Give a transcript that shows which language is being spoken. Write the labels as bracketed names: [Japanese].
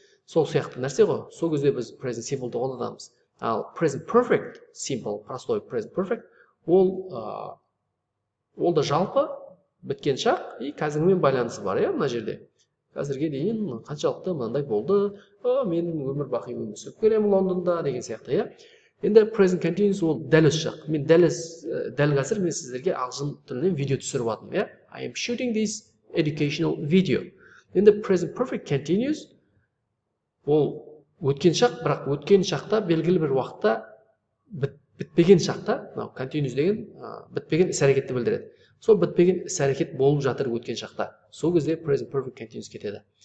[Kazakh] Сол сияқты нәрсе ғой. Сол кезде біз present simple-ді қолданамыз. Ал present perfect simple, простой present perfect ол ол да жалпы біткен шақ и қазіргімен байланысы бар, иә, мына жерде. Қазірге дейін қаншалықты мынандай болды? Мен өмір бақи өмір сүріп келемін Лондонда деген сияқты, иә. Енді present continuous ол дәл осы шақ. Мен дәл қазір мен сіздерге ағылшын тілінен видео түсіріп жатырмын, иә? [English] I am shooting this educational video. [Kazakh] Енді present perfect continuous ол өткен шақ, бірақ өткен шақта белгілі бір уақытта бітпеген шақта, мынау continuous деген бітпеген іс-әрекетті білдіреді. Сол бітпеген іс-әрекет болып жатыр өткен шақта. Сол кезде present perfect continuous кетеді.